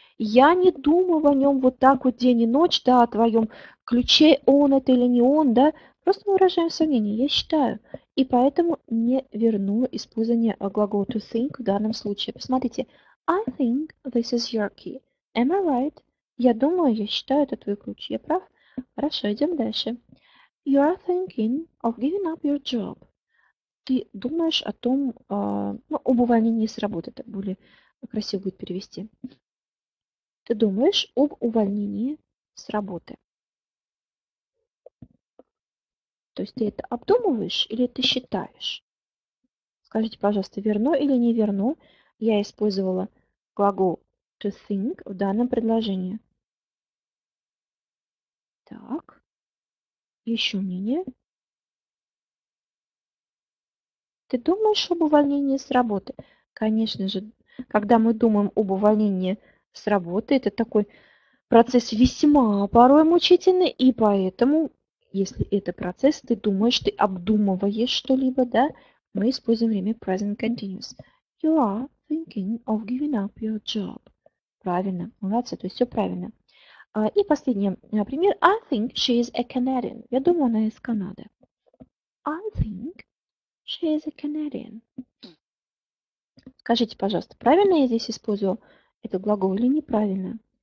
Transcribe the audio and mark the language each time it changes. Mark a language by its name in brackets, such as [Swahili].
[Russian] Я не думаю о нем вот так вот день и ночь, да, о твоем ключе, он это или не он, да. Просто мы выражаем сомнение, я считаю. И поэтому не верну использование глагола to think в данном случае. Посмотрите. [English] I think this is your key. Am I right? [Russian] Я думаю, я считаю, это твой ключ. Я прав? Хорошо, идем дальше. [English] You are thinking of giving up your job. [Russian] Ты думаешь о том, ну, об увольнении с работы, так более красиво будет перевести. Ты думаешь об увольнении с работы. То есть ты это обдумываешь или ты считаешь? Скажите, пожалуйста, верну или не верну? Я использовала глагол to think в данном предложении. Так, еще мнение. Ты думаешь об увольнении с работы? Конечно же, когда мы думаем об увольнении с работы, это такой процесс весьма порой мучительный, и поэтому, если это процесс, ты думаешь, ты обдумываешь что-либо, да, мы используем время present continuous. [English] You are thinking of giving up your job. [Russian] Правильно, молодцы, то есть все правильно. И последнее, например, [English] I think she is a Canadian. [Russian] Я думаю, она из Канады. [English] I think she is a Canadian. [Russian] Скажите, пожалуйста, правильно я здесь использую этот глагол или неправильно?